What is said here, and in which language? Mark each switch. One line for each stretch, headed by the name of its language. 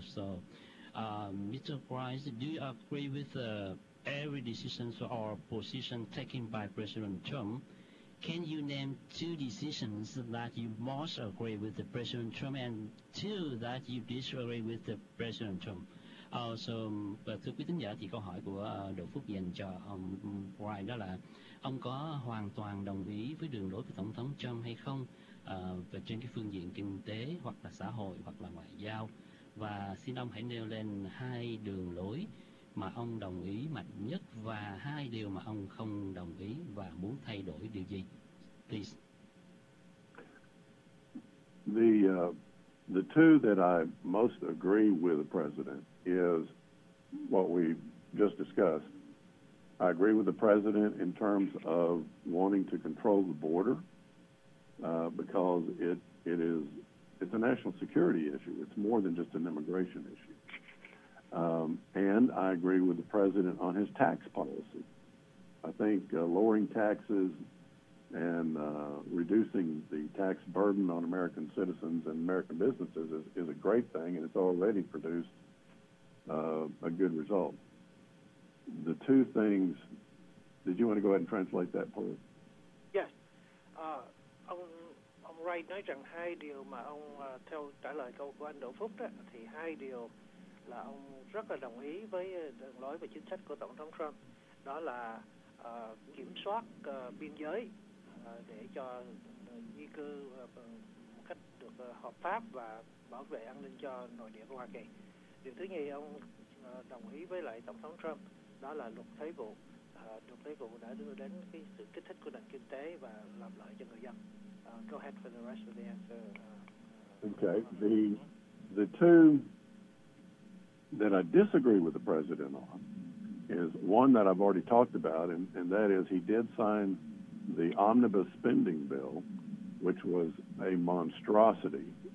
English: So Mr. Price, do you agree with every decision or position taken by President Trump? Can you name two decisions that you most agree with the President Trump and two that you disagree with the President Trump? Awesome.
Vietnamese: Thưa quý thính giả, thì câu hỏi của Đỗ Phúc dành cho ông Wright đó là ông có hoàn toàn đồng ý với đường lối của Tổng thống Trump hay không về trên cái phương diện kinh tế hoặc là xã hội hoặc là ngoại giao, và xin ông hãy nêu lên hai đường lối mà ông đồng ý mạnh nhất và hai điều mà ông không đồng ý và muốn thay đổi điều gì, please.
English: The two that I most agree with the president is what we just discussed. I agree with the president in terms of wanting to control the border because it's a national security issue. It's more than just an immigration issue. And I agree with the president on his tax policy. I think lowering taxes and reducing the tax burden on American citizens and American businesses is a great thing, and it's already produced a good result. The two things, did you want to go ahead and translate that part? Yes.
Vietnamese: Ông Wright nói rằng hai điều mà ông theo trả lời câu của anh Đỗ Phúc đó, thì hai điều là ông rất là đồng ý với đường lối và chính sách của Tổng thống Trump, đó là kiểm soát biên giới để cho di cư một cách được hợp pháp và bảo vệ an ninh cho nội địa của Hoa Kỳ. Điều thứ nhì ông đồng ý với lại Tổng thống Trump, đó là luật thuế vụ. Luật thuế vụ đã đưa đến cái sự kích thích của nền kinh tế và làm lợi cho người dân.
English: Go ahead for the rest of the answer. Okay. The two that I disagree with the president on is one that I've already talked about, and that is he did sign the omnibus spending bill, which was a monstrosity.